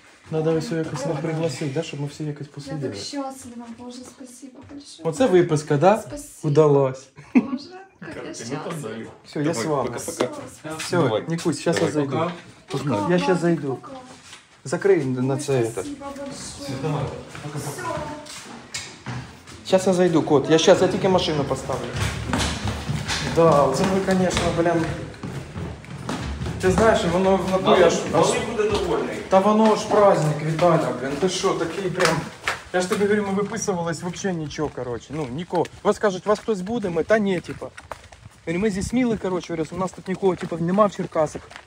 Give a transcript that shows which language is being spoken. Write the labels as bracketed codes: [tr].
[uk] Треба ось якось пригласити, щоб ми всі якось посиділи. Я так щаслива, боже, [ru] спасибо большое. [uk] Оце виписка, так? Да? [ru] Спасибо. Удалось. [uk] Боже, як я [ru] все, я с вами. Пока, пока. Все, Никусь, сейчас я зайду. Пока. Я пока, сейчас зайду. Пока. Закрой на спасибо Спасибо большое. Все, давай. Все. Сейчас я зайду, кот. [uk] Я сейчас, я тільки машину поставлю. [ru] Да, це ви, конечно, блин. [uk] Ти знаєш, воно в натурі аж... Малий буде довольний. Та воно ж праздник, Віталя, блін, ти що, такий прям... Я ж тобі говорю, ми виписувались, взагалі нічого, коротше. Ну, нікого. Вас кажуть, вас хтось буде, ми? Та ні, типа. Ми зі Сміли, коротше, раз, у нас тут нікого, типа, нема в Черкасах.